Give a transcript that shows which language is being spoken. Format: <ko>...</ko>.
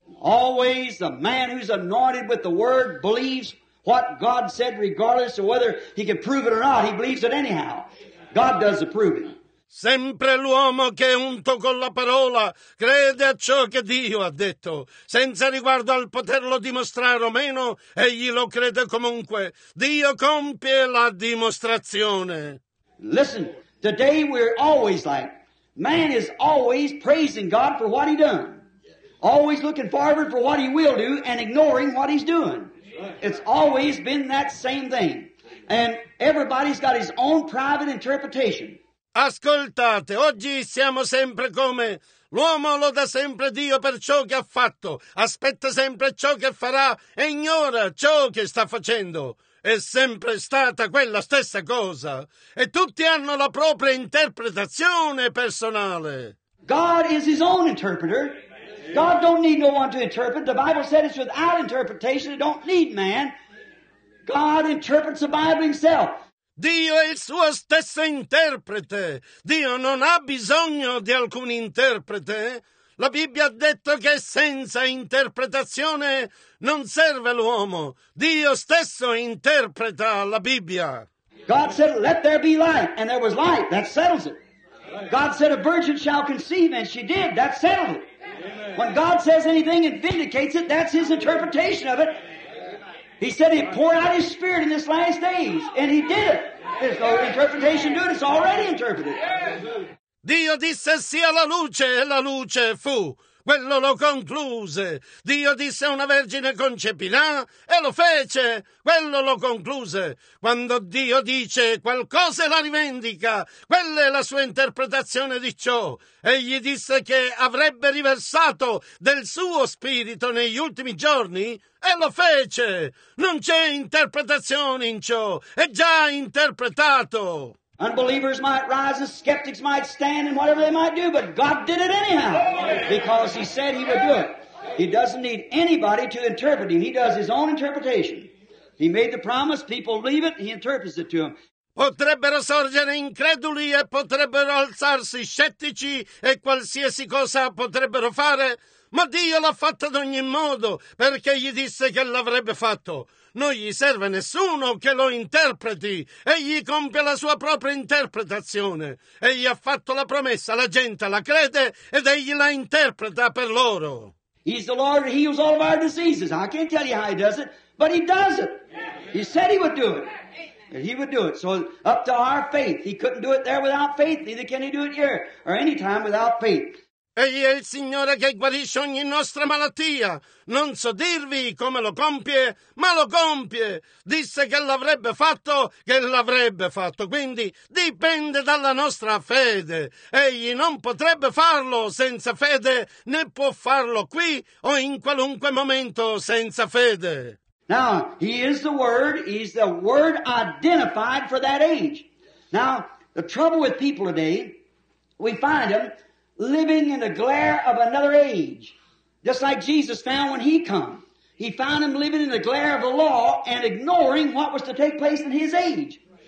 <en>Always the man who's anointed with the Word believes what God said, regardless of whether he can prove it or not. He believes it anyhow. God does the proving.</en> <it>Sempre l'uomo che è unto con la parola crede a ciò che Dio ha detto, senza riguardo al poterlo dimostrare o meno, egli lo crede comunque. Dio compie la dimostrazione.</it> <en>Listen, today we're always like, man is always praising God for what he done, always looking forward for what he will do and ignoring what he's doing. It's always been that same thing. And everybody's got his own private interpretation.</en> <it>Ascoltate, oggi siamo sempre come l'uomo loda sempre Dio per ciò che ha fatto, aspetta sempre ciò che farà e ignora ciò che sta facendo. È sempre stata quella stessa cosa e tutti hanno la propria interpretazione personale.</it> <en>God is his own interpreter. God don't need no one to interpret. The Bible said it's without interpretation, it don't need man. God interprets the Bible himself.</en> <it>Dio è il suo stesso interprete. Dio non ha bisogno di alcun interprete. La Bibbia ha detto che senza interpretazione non serve l'uomo. Dio stesso interpreta la Bibbia.</it> <en>God said, let there be light, and there was light. That settles it. God said, a virgin shall conceive, and she did. That settled it. When God says anything and vindicates it, that's his interpretation of it. He said he poured out his spirit in this last days, and he did it. There's no interpretation to it, it's already interpreted.</en> <it>Dio disse sia la luce, e la luce fu. Quello lo concluse. Dio disse una vergine concepirà, e lo fece. Quello lo concluse. Quando Dio dice qualcosa la rivendica, quella è la sua interpretazione di ciò. Egli disse che avrebbe riversato del suo spirito negli ultimi giorni, e lo fece. Non c'è interpretazione in ciò. È già interpretato.</it> <en>Unbelievers might rise, and skeptics might stand, and whatever they might do, but God did it anyhow, because he said he would do it. He doesn't need anybody to interpret him. He does his own interpretation. He made the promise, people believe it, he interprets it to them.</en> <it>Potrebbero sorgere increduli e potrebbero alzarsi scettici e qualsiasi cosa potrebbero fare, ma Dio l'ha fatto ad ogni modo, perché gli disse che l'avrebbe fatto. Non gli serve nessuno che lo interpreti. Egli compie la sua propria interpretazione. Egli ha fatto la promessa, la gente la crede ed egli la interpreta per loro.</it> <en>He's the Lord who heals all of our diseases. I can't tell you how he does it, but he does it. He said he would do it. He would do it. So up to our faith. He couldn't do it there without faith. Neither can he do it here or any time without faith.</en> <it>Egli è il Signore che guarisce ogni nostra malattia. Non so dirvi come lo compie, ma lo compie. Disse che l'avrebbe fatto, che l'avrebbe fatto. Quindi dipende dalla nostra fede. Egli non potrebbe farlo senza fede, né può farlo qui o in qualunque momento senza fede.</it> <en>Now, he is the Word. He's the Word identified for that age. Now, the trouble with people today, we find them living in the glare of another age, just like Jesus found when he come. He found him living in the glare of the law and ignoring what was to take place in his age.</en>